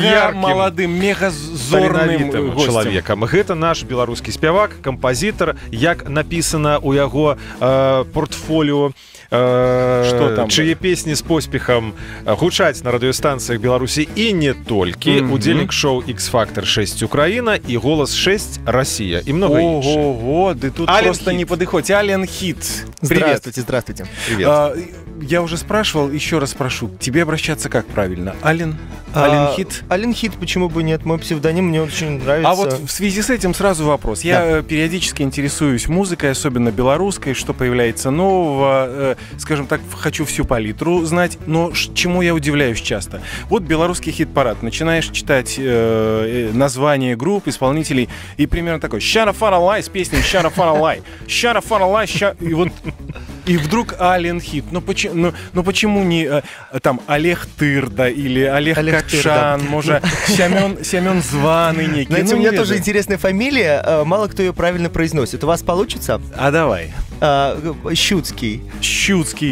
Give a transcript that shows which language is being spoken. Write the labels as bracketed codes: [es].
[be] яркім, маладым, мега зорным чалавекам. Гэта наш беларускі спявак, кампазітар, як напісана ў яго портфоліо. Чые песні з поспехам гучаць на радыёстанцыях Беларусі і не толькі. Удзельнік шоу X-Factor 6 Украіна і Голас 6 Расія. І многа іншых. Ого-го, ты тут Ален просто хит. Не падыходзь. Ален Хіт. [ru] Здравствуйте, здравствуйте. Привет. Я уже спрашивал, еще раз прошу, тебе обращаться как правильно? Ален? Ален Хит? Ален Хит, почему бы нет? Мой псевдоним мне очень нравится. А вот в связи с этим сразу вопрос. Я периодически интересуюсь музыкой, особенно белорусской, что появляется нового. Скажем так, хочу всю палитру знать. Но чему я удивляюсь часто? Вот белорусский хит-парад. Начинаешь читать название групп, исполнителей, и примерно такой. Shut up, fara lie, с песней Shut up, fara lie. Shut up, fara lie, и вот... И вдруг Ален Хит. Ну почему не там Олег Тырда или Олег, Олег Кокшан, может, Семен Званый некий. Знаете, ну, у меня не тоже интересная фамилия, мало кто ее правильно произносит. У вас получится? А давай. Щуцкий.